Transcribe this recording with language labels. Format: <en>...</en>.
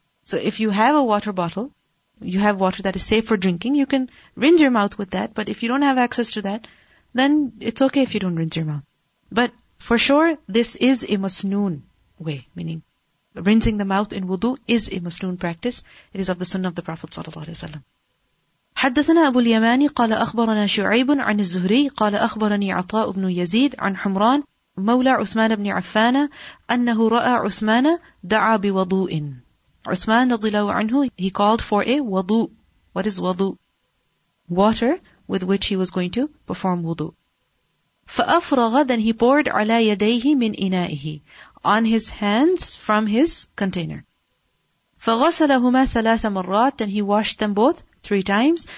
<en>So if you have a water bottle, you have water that is safe for drinking, you can rinse your mouth with that. But if you don't have access to that, then it's okay if you don't rinse your mouth. But for sure, this is a masnoon way, meaning rinsing the mouth in wudu is a masnoon practice. It is of the sunnah of the Prophet sallallahu alaihi wasallam.</en> <ar>حدثنا أبو اليماني قال أخبرنا شعيب عن الزهري قال أخبرني عطاء بن يزيد عن حمران مولى عثمان بن عفان أنه رأى عثمان دعا بوضوء. عثمان رضي الله عنه,</ar> <en>he called for a wudu. What is wudu? Water with which he was going to perform wudu.</en> <ar>فَأَفْرَغَ,</ar> <en>then he poured</en> <ar>عَلَى يَدَيْهِ مِنْ إِنَائِهِ,</ar> <en>on his hands from his container.</en> <ar>فَغَسَلَهُمَا ثَلَاثَ مَرَّاتٍ,</ar> <en>then he washed them both three times.</en>